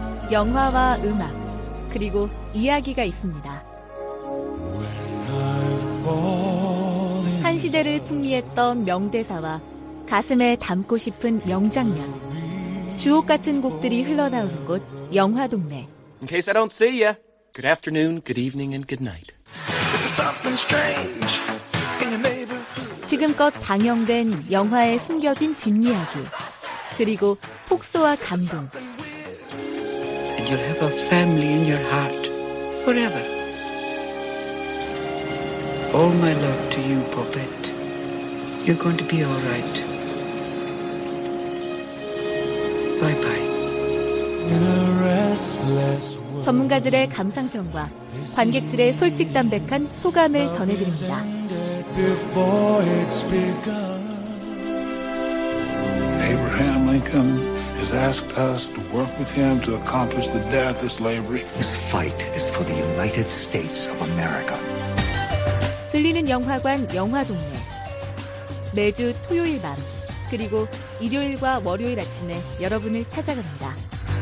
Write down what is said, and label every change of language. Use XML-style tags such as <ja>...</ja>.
<ko>영화와 음악, 그리고 이야기가 있습니다. 한 시대를 풍미했던 명대사와 가슴에 담고 싶은 명장면, 주옥 같은 곡들이 흘러나온 곳, 영화 동네.</ko> <en>In case I don't see ya, good afternoon, good evening, and good night. 지금껏 방영된 영화의 숨겨진 뒷이야기, 그리고 폭소와 감동. You'll have a family in your heart forever. All my love to you, puppet. You're going to be all right. Bye-bye. In a restless world.</en> <ko>전문가들의 감상평과 관객들의 솔직담백한 소감을 전해드립니다.</ko> <en>아브라함 링컨 has asked us to work with him to accomplish the death of slavery. This fight is for the United States of America.</en> <ko>들리는 영화관 영화 동네. 매주 토요일 밤, 그리고 일요일과 월요일 아침에 여러분을 찾아갑니다.</ko>